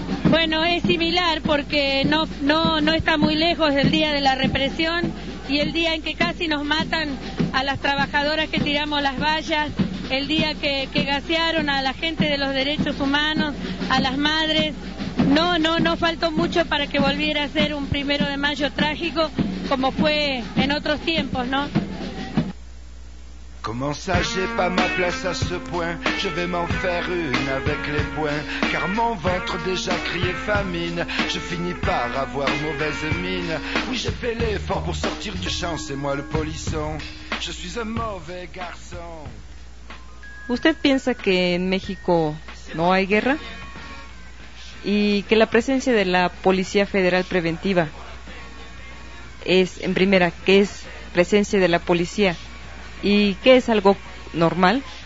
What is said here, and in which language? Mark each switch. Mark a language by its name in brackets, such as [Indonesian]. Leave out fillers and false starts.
[Spanish] Bueno, es similar porque no está muy lejos del día de la represión y el día en que casi nos matan a las trabajadoras que tiramos las vallas, el día que gasearon a la gente de los derechos humanos, a las madres. No faltó mucho para que volviera a ser un 1 de mayo trágico como fue en otros tiempos, ¿no? [French] Comment ça, j'ai pas ma place à ce point. Je vais m'en faire une avec les poings. Car mon ventre déjà criait famine. Je finis par avoir mauvaise mine. Oui, j'ai fait l'effort pour sortir du champ. C'est moi le polisson. Je suis un mauvais garçon. [Spanish] ¿Usted piensa que en México no hay guerra? ¿Y que la presencia de la Policía Federal Preventiva es, en primera, que es presencia de la policía? ¿Y qué es algo normal?